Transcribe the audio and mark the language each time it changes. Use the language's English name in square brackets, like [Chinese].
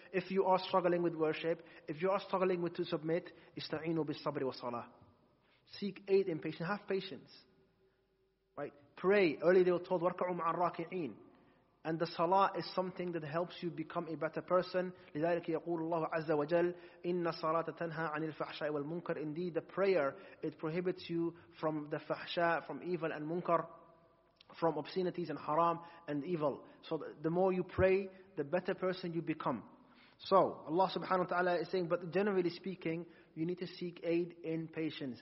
[English] If you are struggling with worship, if you are struggling with to submit, [Arabic] istaeenu bis sabri wa salah. [English] Seek aid in patience. Have patience. Right? Pray. Early they were told, [Arabic] وَرْكَعُوا مَعَ الرَّاكِعِينَ. [English] And the salah is something that helps you become a better person. [Arabic] لذلك يقول الله عز وجل إن الصلاة تنهى عن الفحشاء والمنكر. [English] Indeed, the prayer, it prohibits you from the فحشاء, from evil and munkar, from obscenities and haram and evil. So the more you pray, the better person you become. So Allah subhanahu wa ta'ala is saying, but generally speaking, you need to seek aid in patience.